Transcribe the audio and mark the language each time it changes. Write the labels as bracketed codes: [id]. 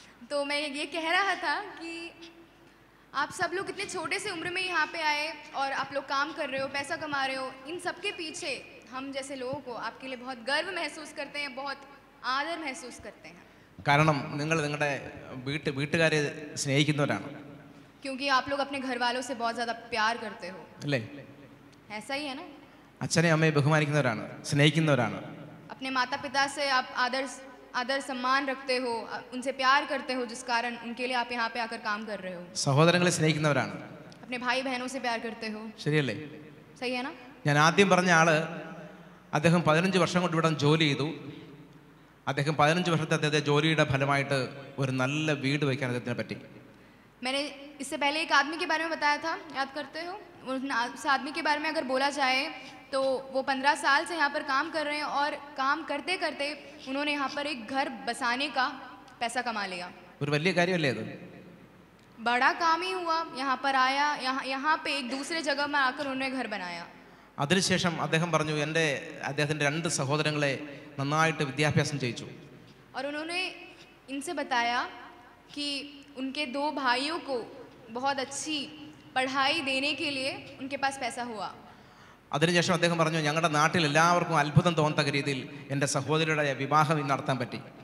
[hi] तो मैं ये कह रहा था कि आप सब लोग इतने छोटे से उम्र में यहाँ पे आए और आप लोग काम कर रहे हो पैसा कमा रहे हो इन सब के पीछे हम जैसे लोगों को आपके लिए बहुत गर्व महसूस करते हैं बहुत आदर महसूस करते हैं कारण [ml] നിങ്ങളെ നിങ്ങളുടെ വീട് വീട്ടുകാരെ സ്നേഹിക്കുന്നവരാണ് [hi] क्योंकि आप लोग अपने घर वालों से बहुत ज्यादा प्यार करते हो ले ऐसा ही है ना [ml] അച്ഛനെ അമ്മയെ ബഹുമാനിക്കുന്നവരാണ് സ്നേഹിക്കുന്നവരാണ് [hi] अपने माता-पिता से आप आदर आदर सम्मान रखते हो उनसे प्यार करते हो जिस कारण उनके लिए आप यहां पे आकर काम कर रहे हो [ml] സഹോദരങ്ങളെ സ്നേഹിക്കുന്നവരാണ് [hi] अपने भाई बहनों से प्यार करते हो [ml] ശരിയല്ലേ [hi] सही है ना [ml] ഞാൻ ആദ്യം പറഞ്ഞ ആള് അദ്ദേഹം 15 വർഷം കൊണ്ട് ഇവിടം ജോലി ചെയ്തു അദ്ദേഹം 15 വർഷത്തെ അതേ ജോലിയുടെ ഫലമായിട്ട് ഒരു നല്ല വീട് വെക്കാൻ അദ്ദേഹത്തിനെ പറ്റി [hi] मैंने इससे पहले एक आदमी के बारे में बताया था याद करते हो उस आदमी के बारे में अगर बोला जाए तो वो 15 साल से यहां पर काम कर रहे हैं और काम करते करते उन्होंने यहां पर एक घर बसाने का पैसा कमा लिया और [ml] വലിയ കാര്യമല്ലേ അത് [hi] बड़ा काम ही हुआ यहां पर आया यहां पे एक दूसरे जगह में आकर उन्होंने घर बनाया [ml] അതിനു ശേഷം അദ്ദേഹം പറഞ്ഞു എൻ്റെ അദ്ദേഹത്തിൻ്റെ രണ്ട് സഹോദരങ്ങളെ നന്നായിട്ട് വിദ്യാഭ്യാസം ചെയ്യിച്ചു [hi] और उन्होंने इनसे बताया कि उनके दो भाइयों को बहुत अच्छी पढ़ाई देने के लिए उनके पास पैसा हुआ [ml] അതിനുശേഷം അദ്ദേഹം പറഞ്ഞു ഞങ്ങളുടെ നാട്ടിൽ എല്ലാവർക്കും അത്ഭുതം തോന്നത്തക്ക രീതിയിൽ എൻ്റെ സഹോദരിയുടെ വിവാഹം ഇന്ന് നടത്താൻ പറ്റി